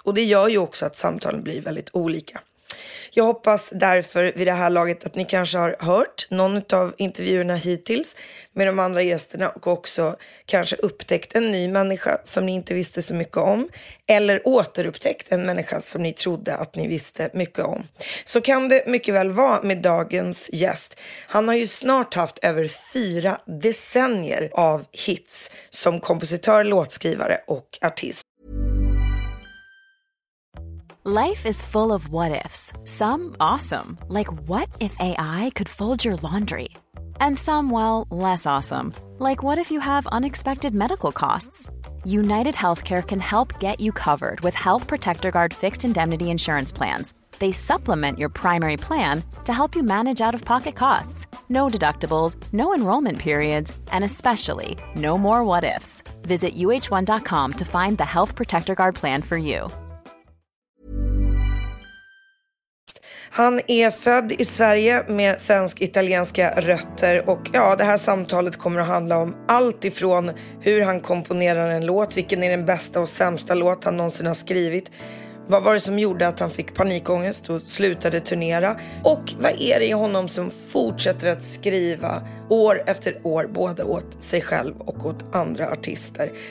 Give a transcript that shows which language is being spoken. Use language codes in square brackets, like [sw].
[sv] Och det gör ju också att samtalen blir väldigt olika. Jag hoppas därför vid det här laget att ni kanske har hört någon av intervjuerna hittills med de andra gästerna och också kanske upptäckt en ny människa som ni inte visste så mycket om, eller återupptäckt en människa som ni trodde att ni visste mycket om. Så kan det mycket väl vara med dagens gäst. Han har ju snart haft över 4 decennier av hits som kompositör, låtskrivare och artist. [en] Life is full of what ifs. Some awesome, like what if AI could fold your laundry? And some, well, less awesome, like what if you have unexpected medical costs? United Healthcare can help get you covered with Health Protector Guard fixed indemnity insurance plans. They supplement your primary plan to help you manage out-of-pocket costs. No deductibles, no enrollment periods, and especially no more what ifs. Visit uh1.com to find the Health Protector Guard plan for you. [sv] Han är född i Sverige med svensk-italienska rötter och ja, det här samtalet kommer att handla om allt ifrån hur han komponerar en låt, vilken är den bästa och sämsta låt han någonsin har skrivit, vad var det som gjorde att han fick panikångest och slutade turnera, och vad är det i honom som fortsätter att skriva år efter år, både åt sig själv och åt andra artister.